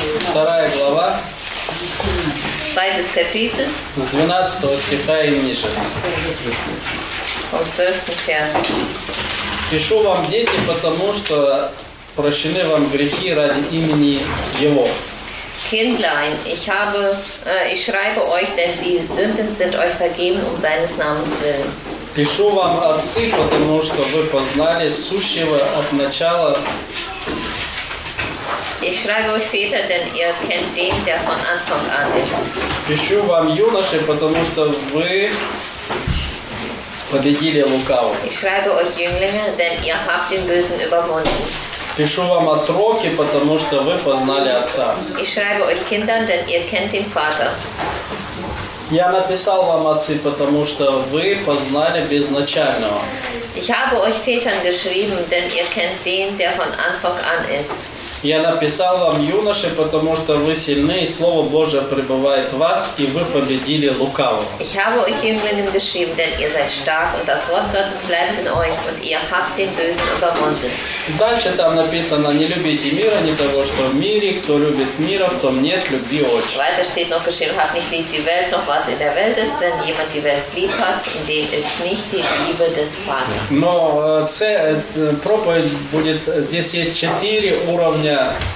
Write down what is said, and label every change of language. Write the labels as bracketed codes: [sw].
[ru] Вторая глава. [de] Zweites Kapitel. [ru] С 12 стиха и ниже. [de] Vom 12. Vers. [ru] Пишу вам, дети, потому что прощены вам грехи ради имени Его. [de] Kindlein, ich schreibe euch, denn die Sünden sind euch vergeben um seines Namens willen. [ru] Пишу вам, отцы, потому что вы познали сущего от начала. [de] Ich schreibe euch, Väter, denn ihr kennt den, der von Anfang an ist. [ru] Пишу вам, юноши, потому что вы победили лукавого. [de] Ich schreibe euch, Jünglinge, denn ihr habt den Bösen überwunden. [ru] Пишу вам, отроки, потому что вы познали Отца. [de] Ich schreibe euch, Kinder, denn ihr kennt den Vater. [ru] Я написал вам, отцы, потому что вы познали безначального. [de] Ich habe euch, Vätern, geschrieben, denn ihr kennt den, der von Anfang an ist. [ru] Я написал вам, юноши, потому что вы сильны, и Слово Божие пребывает в вас, и вы победили лукавого. [de] Ich habe euch, Jünglingen, geschrieben, denn ihr seid stark, und das Wort Gottes bleibt in euch, und ihr habt den Bösen überwunden. [ru] Дальше там написано, не любите мира, не того, что в мире, кто любит мира, в том нет любви очень. [de] Weiter steht noch geschrieben, habt nicht lieb die Welt, noch was in der Welt ist, wenn jemand die Welt lieb hat, in dem ist nicht die Liebe des Vaters. [ru] Но проповедь будет, здесь есть четыре уровня.